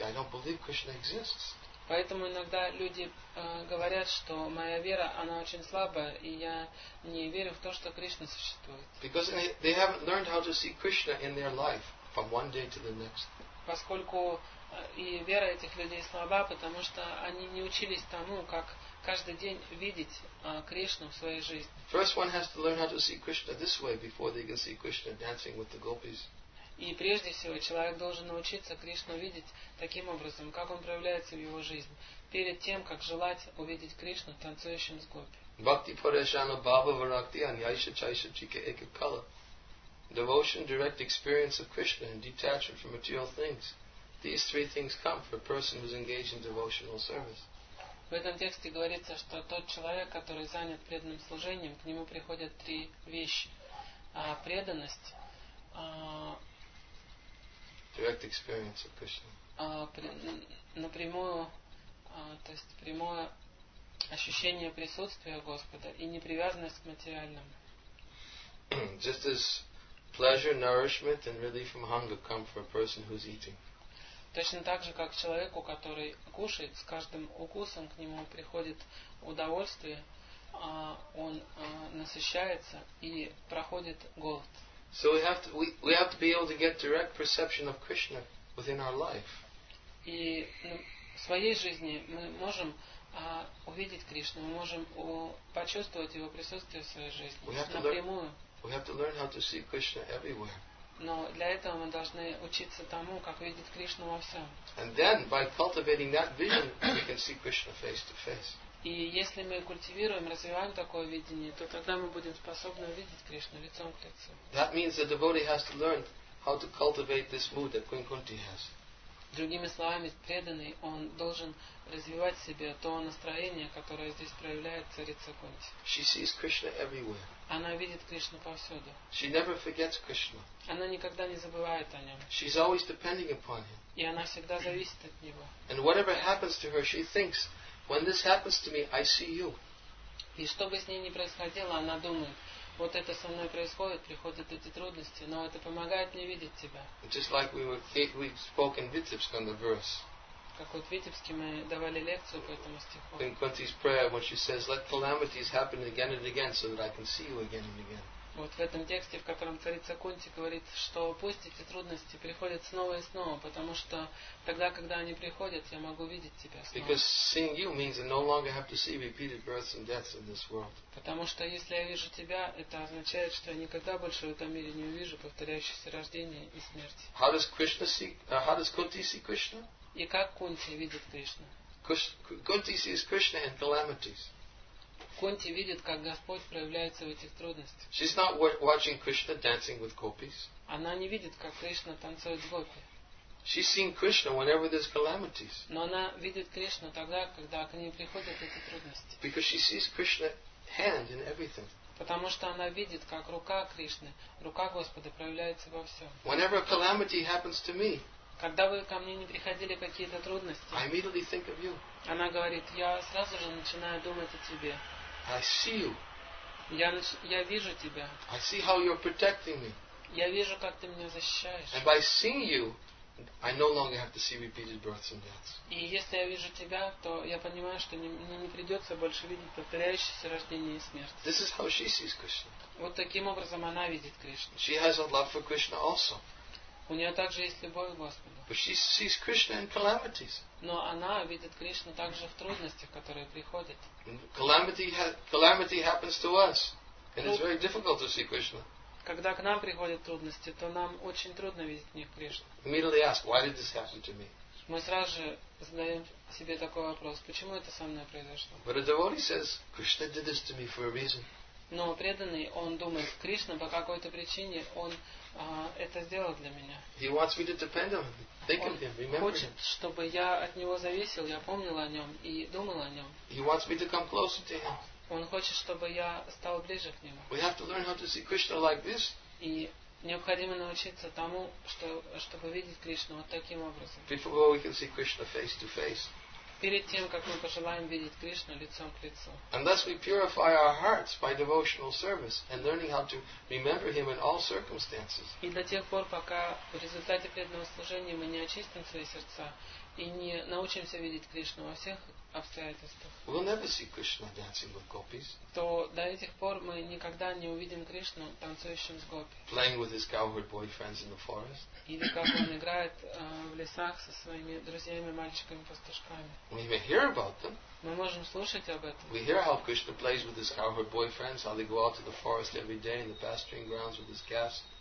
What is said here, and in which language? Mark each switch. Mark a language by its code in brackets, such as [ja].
[en] I don't believe Krishna exists. [ru] Поэтому иногда люди говорят, что моя вера, она очень слабая, и я не верю в то, что Кришна существует. [en] Because they haven't learned how to see Krishna in their life from one day to the next. [ru] Поскольку и вера этих людей слаба, потому что они не учились тому, как каждый день видеть Кришну в своей жизни. [en] First one has to learn how to see Krishna this way before they can see Krishna dancing with the gopis. [ru] И прежде всего человек должен научиться Кришну видеть таким образом, как он проявляется в его жизни, перед тем, как желать увидеть Кришну танцующим с гопи. [sa] Bhakti Parashana Bhava Varakti Anyaisha Chaisha Chika Ekakala. [en] Devotion, direct experience of Krishna and detachment from material things. These three things come for a person who is engaged in devotional service. [ru] В этом тексте говорится, что тот человек, который занят преданным служением, к нему приходят три вещи. Преданность, [en] direct experience of Krishna. [ru] То есть прямое ощущение присутствия Господа и непривязанность к материальному. [en] Just as pleasure, nourishment and relief from hunger come for a person who's eating. [ru] Точно так же, как человеку, который кушает, с каждым укусом к нему приходит удовольствие, он насыщается и проходит голод. [en] So we have to be able to get direct perception of Krishna within our life. [ru] И в своей жизни мы можем увидеть Кришну, мы можем почувствовать его присутствие в своей жизни напрямую. [en] We have to learn how to see Krishna everywhere. [ru] Но для этого мы должны учиться тому, как видеть Кришну во всем. [en] And then by cultivating that vision, we can see Krishna face to face. [ru] И если мы культивируем, развиваем такое видение, то тогда мы будем способны увидеть Кришну лицом к лицу. [en] That means the devotee has to learn how to cultivate this mood that Queen Kunti has. [ru] Другими словами, преданный, он должен развивать в себе то настроение, которое здесь проявляет царица Кунти. [en] She sees Krishna everywhere. [ru] Она видит Кришну повсюду. [en] She never forgets Krishna. [ru] Она никогда не забывает о нем. [en] She's always depending upon him. [ru] И она всегда зависит от него. [en] And whatever happens to her, she thinks, when this happens to me, I see you. [ru] И что бы с ней ни происходило, она думает, вот это со мной происходит, приходят эти трудности, но это помогает мне видеть тебя. [en] Just like we spoke in Vitebsk on the verse. [ru] Как вот в Витебске мы давали лекцию по этому стиху. [en] Queen Kunti's prayer, when she says, let calamities happen again and again, so that I can see you again and again. [ru] Вот в этом тексте, в котором царица Кунти говорит, что пусть эти трудности приходят снова и снова, потому что тогда, когда они приходят, я могу видеть тебя снова. [en] Because seeing you means I no longer have to see repeated births and deaths in this world. [ru] Потому что если я вижу тебя, это означает, что я никогда больше в этом мире не увижу повторяющиеся рождения и смерти. [en] How does Krishna see? How does Kunti see Krishna? [ru] И как Кунти видит Кришну? [en] Kunti sees Krishna in calamities. [ru] Кунти видит, как Господь проявляется в этих трудностях. [en] She's not watching Krishna dancing with gopis. [ru] Она не видит, как Кришна танцует с гопи. [en] She's seeing Krishna whenever there's calamities. [ru] Но она видит Кришну тогда, когда к ней приходят эти трудности. [en] Because she sees Krishna's hand in everything. [ru] Потому что она видит, как рука Кришны, рука Господа проявляется во всем. [en] Whenever a calamity happens to me, [ru] когда вы ко мне не приходили какие-то трудности, [en] I immediately think of you. [ru] Она говорит, я сразу же начинаю думать о тебе. [en] I see you. [ru] Я вижу тебя. [en] I see how you're protecting me. [ru] Я вижу, как ты меня защищаешь. [en] And by seeing you, I no longer have to see repeated births and deaths. [ru] И если я вижу тебя, то я понимаю, что мне не придется больше видеть повторяющиеся рождения и смерти. [en] This is how she sees Krishna. [ru] Вот таким образом она видит Кришну. [en] She has a love for Krishna also. [ru] У нее также есть любовь к Господу. [en] But she sees Krishna in calamities. [ru] Но она видит Кришну также в трудностях, которые приходят. [en] Calamity happens to us, and it's very difficult to see Krishna. [ru] Когда к нам приходят трудности, то нам очень трудно видеть в них Кришну. [en] Immediately ask, why did this happen to me? [ru] Мы сразу же задаем себе такой вопрос: почему это со мной произошло? [en] But a devotee says, Krishna did this to me for a reason. [ru] Но преданный, он думает, Кришна по какой-то причине он это сделал для меня. [en] He wants me to depend on him. Think of him, remember. [ru] Он хочет, чтобы я от него зависел, я помнил о нем и думал о нем. [en] He wants me to come closer to him. [ru] Он хочет, чтобы я стал ближе к нему. [en] We have to learn how to see Krishna like this. [ru] И необходимо научиться тому, чтобы видеть Кришну вот таким образом. [en] Before we can see Krishna face to face. [ru] Перед тем, как мы пожелаем видеть Кришну лицом к лицу. [en] Unless we purify our hearts by devotional service and learning how to remember Him in all circumstances. [ru] И до тех пор, пока в результате преданного служения мы не очистим свои сердца и не научимся видеть Кришну во всех обстоятельствах. [en] We'll never see Krishna dancing with gopis. [ru] То до этих пор мы никогда не увидим Кришну танцующим с гопи. [en] Playing with his cowherd boyfriends in the forest. [ru] Или как он играет в лесах со своими друзьями мальчиками пастушками. [en] We may hear about them. [ru] Мы можем слушать об этом. [en] We hear how Krishna plays with his cowherd boyfriends, how they go out to the forest every day in the pasturing grounds with his cows.